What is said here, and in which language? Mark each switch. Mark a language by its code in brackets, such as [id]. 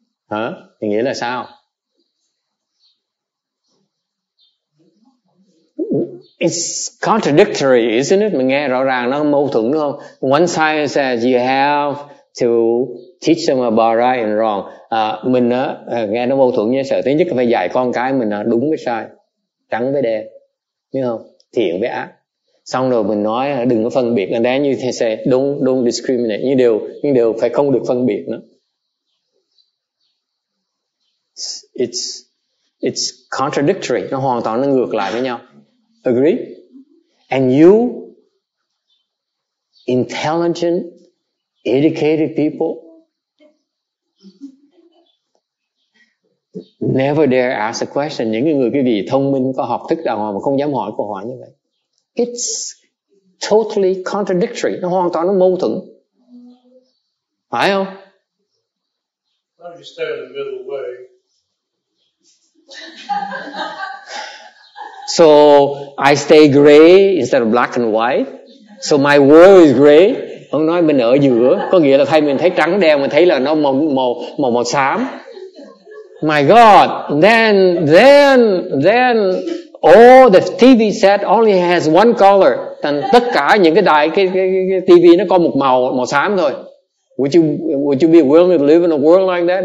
[vi] Hả? Thì nghĩa là sao? [en] It's contradictory, isn't it? [vi] Mình nghe rõ ràng nó mâu thuẫn đúng không? [en] One side says you have to teach them about right and wrong. [vi] Mình nghe nó mâu thuẫn như sợ. Thứ nhất là phải dạy con cái mình đúng với sai, trắng với đen, đúng không? Thiện với ác. Xong rồi mình nói đừng có phân biệt, [en] and then you say don't discriminate, [vi] nhưng đều phải không được phân biệt nữa. [en] It's contradictory, [vi] nó hoàn toàn nó ngược lại với nhau. [en] Agree? And you intelligent educated people never dare ask a question. [vi] Những người cái gì thông minh có học thức đàng hoàng mà không dám hỏi câu hỏi như vậy. [en] It's totally contradictory. [vi] Nó hoàn toàn nó mâu thuẫn. Phải không? [en] Why don't you stay in the middle way? So I stay gray instead of black and white. So my world is gray. [vi] Ông nói mình ở giữa. Có nghĩa là thay mình thấy trắng đen, mình thấy là nó màu xám. [en] My God. Then all the TV set only has one color. [vi] Thành tất cả những cái đài cái TV nó có một màu xám thôi. [en] Would you be willing to live in a world like that?